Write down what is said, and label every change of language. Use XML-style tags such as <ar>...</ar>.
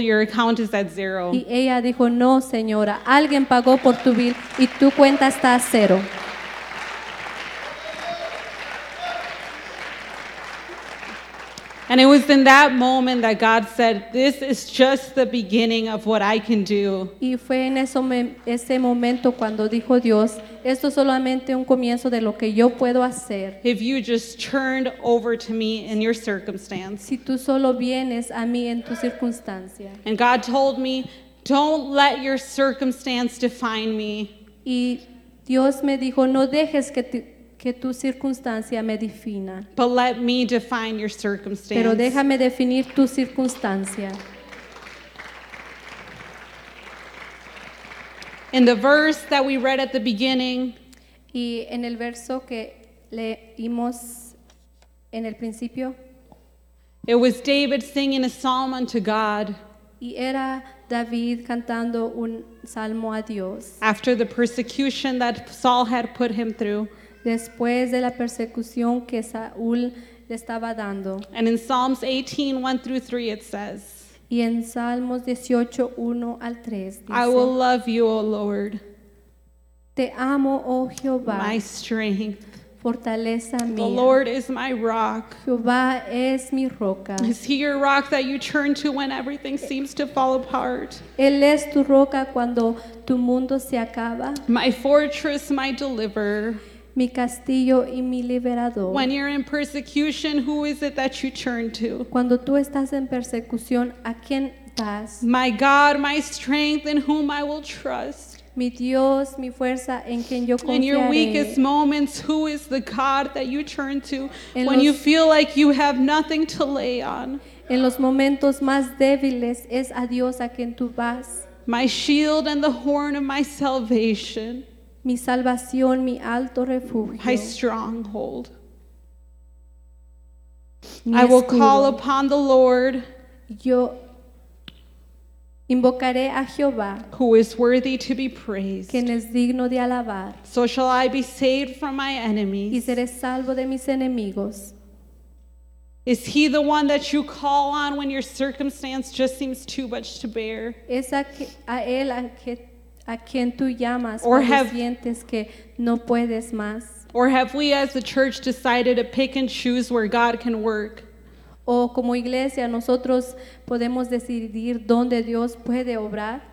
<en>Your account is at zero.</en> <es>Y ella dijo, no, señora, alguien pagó por tu bill y tu cuenta está a cero.</es> <en>And it was in that moment that God said, this is just the beginning of what I can do.</en> <es>Y fue en ese momento cuando dijo Dios, esto es solamente un comienzo de lo que yo puedo hacer.</es> <en>If you just turned over to me in your circumstance.</en> <es>Si tú solo vienes a mí en tu circunstancia.</es> <en>And God told me, don't let your circumstance define me.</en> <es>Y Dios me dijo, no dejes que tu circunstancia me defina.</es> <en>But let me define your circumstance.</en> <es>Pero déjame definir tu circunstancia.</es> <en>In the verse that we read at the beginning,</en> <es>y en el verso que leímos en el principio,</es> <en>it was David singing a psalm unto God.</en> <es>Y era David cantando un salmo a Dios.</es> <en>After the persecution that Saul had put him through.</en> <es>Después de la persecución que Saúl le estaba dando.</es> <en>And in Psalms 18, 1 through 3, it says,</en> <es>y en Salmos 18, 1 al 3, dice,</es> <en>I will love you, O Lord.</en> <es>Te amo, oh Jehová.</es> <en>My strength.</en> <es>Fortaleza mía.</es> <en>The Lord is my rock.</en> <es>Jehová es mi roca.</es> <en>Is he your rock that you turn to when everything seems to fall apart?</en> <es>Él es tu roca cuando tu mundo se acaba.</es> <en>My fortress, my deliverer.</en> <es>Mi castillo y mi liberador.</es> <en>When you're in persecution, who is it that you turn to?</en> <es>Cuando tú estás en persecución, ¿a quién vas?</es> <en>My God, my strength, in whom I will trust.</en> <es>Mi Dios, mi fuerza, en quien yo confiaré.</es> <en>In your weakest moments, who is the God that you turn to when you feel like you have nothing to lay on?</en> <es>En los momentos más débiles, es a Dios a quien tú vas.</es> <en>My shield and the horn of my salvation.</en> <es>Mi salvación, mi alto refugio.</es> <en>My stronghold. I will call upon the Lord.</en> <es>Yo invocaré a Jehová.</es> <en>Who is worthy to be praised.</en> <es>Quien es digno de alabar.</es> <en>So shall I be saved from my enemies.</en> <es>Y seré salvo de mis enemigos.</es> <en>Is he the one that you call on when your circumstance just seems too much to bear?</en> <es>Es a él a que a quien tú llamas cuando sientes que no puedes más.</es> <en>Or have we as the church decided to pick and choose where God can work?</en> <es>O como iglesia nosotros podemos decidir dónde Dios puede obrar.</es>